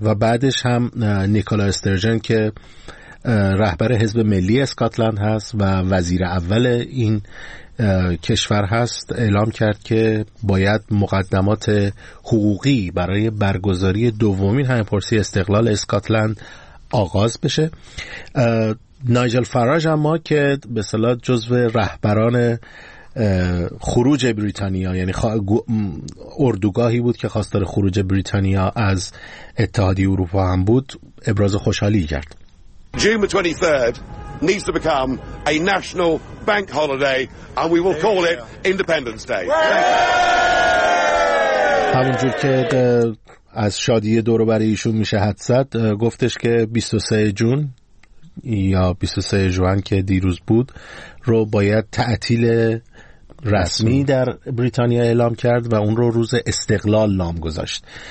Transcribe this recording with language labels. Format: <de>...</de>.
<fa>و بعدش هم نیکولا استرجن که رهبر حزب ملی اسکاتلند هست و وزیر اول این کشور هست، اعلام کرد که باید مقدمات حقوقی برای برگزاری دومین همه‌پرسی استقلال اسکاتلند آغاز بشه. نایجل فراج اما که به اصطلاح جزو رهبران خروج بریتانیا، یعنی اردوگاهی بود که خواستار خروج بریتانیا از اتحادیه اروپا هم بود، ابراز خوشحالی کرد.</fa> <en>June 23rd needs to become a national bank holiday and we will call it Independence Day.</en> <fa>همونجور که از شادی دور و بر ایشون میشه حد زد، گفتش که 23 جون یا 23 جوان که دیروز بود رو باید تعطیل رسمی در بریتانیا اعلام کرد و اون رو روز استقلال نام گذاشت.</fa>